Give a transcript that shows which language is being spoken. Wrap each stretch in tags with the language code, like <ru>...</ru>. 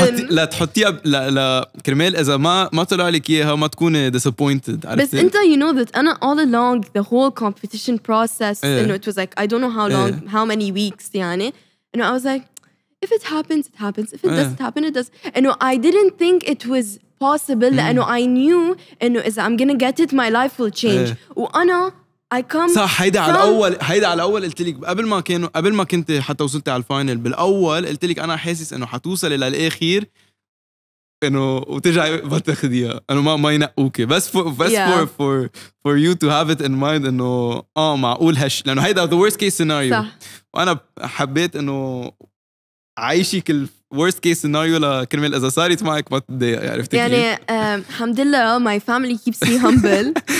<ar>لا تحطيها لكرمال اذا ما طلع لك اياها ما تكوني</ar> <en>disappointed.</en> <ar>بس انت</ar> <en>you know that</en> <ar>انا</ar> <en>all along the whole competition process, you know, it was like I don't know how long, how many weeks,</en> <ar>يعني,</ar> <en>and I was like, if it happens it happens, if it doesn't happen it doesn't, and I didn't think it was possible.</en> <ar>لانه</ar> <en>I knew</en> <ar>انه اذا</ar> <en>I'm gonna get it my life will change.</en> <ar>وانا</ar> <en>I come</en> <ar>صح, هيدا على الاول, هيدا على الاول قلت لك قبل ما كنت حتى وصلت على الفاينل بالاول, قلت لك انا حاسس انه حتوصل الى الاخير انه وترجعي بتاخديها, انه ما ينقوكي, بس</ar> <en>yeah. for you to have it in mind</en> <ar>انه معقول هش, لانه هيدا</ar> <en>the worst case scenario.</en> <ar>صح. وانا حبيت انه عايشك ال</ar> <en>worst case scenario</en> <ar>لكرمال اذا صارت معك ما تضايق, عرفتي؟ يعني الحمد لله</ar> <en>my family keeps me humble.</en>